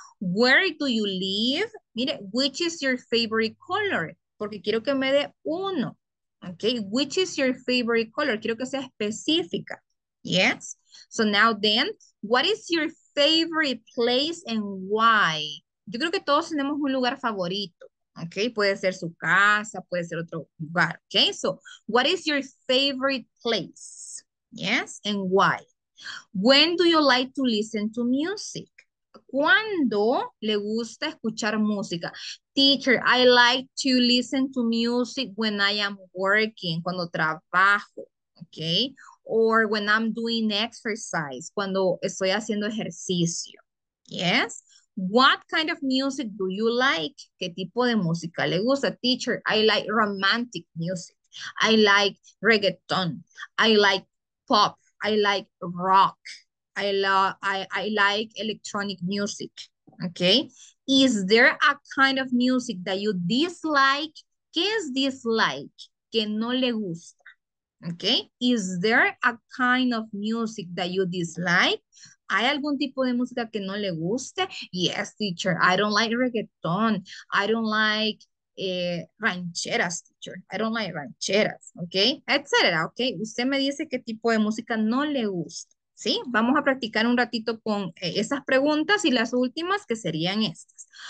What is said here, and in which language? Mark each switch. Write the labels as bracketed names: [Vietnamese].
[English] Where do you live? Mire, which is your favorite color? [Spanish] Porque quiero que me dé uno. Okay. [English] Which is your favorite color? [Spanish] Quiero que sea específica. Yes. [English] So now then, what is your favorite place and why? [Spanish] Yo creo que todos tenemos un lugar favorito. Okay, puede ser su casa, puede ser otro lugar. [English] Okay, so what is your favorite place? Yes, and why? When do you like to listen to music? [Spanish] ¿Cuándo le gusta escuchar música? [English] Teacher, I like to listen to music when I am working, [Spanish] cuando trabajo. [English] Okay, or when I'm doing exercise, [Spanish] cuando estoy haciendo ejercicio. [English] Yes. What kind of music do you like? [Spanish] ¿Qué tipo de música le gusta? [English] Teacher, I like romantic music. I like reggaeton. I like pop. I like rock. I like electronic music. Okay. Is there a kind of music that you dislike? [Spanish] ¿Qué es dislike? ¿Que no le gusta? Okay. [English] Is there a kind of music that you dislike? [Spanish] ¿Hay algún tipo de música que no le guste? [English] Yes, teacher. I don't like reggaeton. I don't like rancheras, teacher. I don't like rancheras. Okay? Etcétera. Okay? [Spanish] Usted me dice qué tipo de música no le gusta. ¿Sí? Vamos a practicar un ratito con esas preguntas y las últimas que serían estas.